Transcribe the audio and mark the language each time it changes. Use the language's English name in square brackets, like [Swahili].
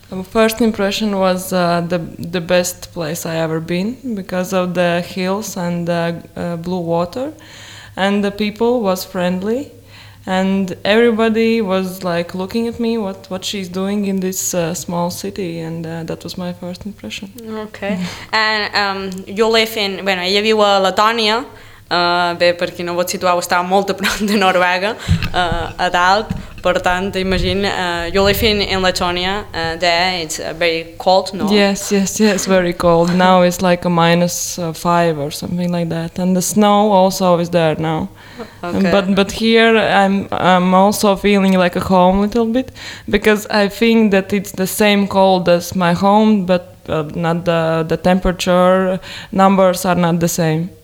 [English] First impression was the best place I ever been because of the hills and the blue water, and the people was friendly, and everybody was like looking at me what she's doing in this small city, and that was my first impression. Okay, and you live in, [Catalan] bueno, ella vive a Letònia. Bé, per qui no vol situar, està molt a prop de Noruega, a dalt. Per tant, [English] imagine, you live in Letonia, there it's very cold, no? Yes, very cold. Now it's like a minus 5 or something like that. And the snow also is there now. Okay. But here I'm also feeling like a home a little bit, because I think that it's the same cold as my home, but not the temperature numbers are not the same.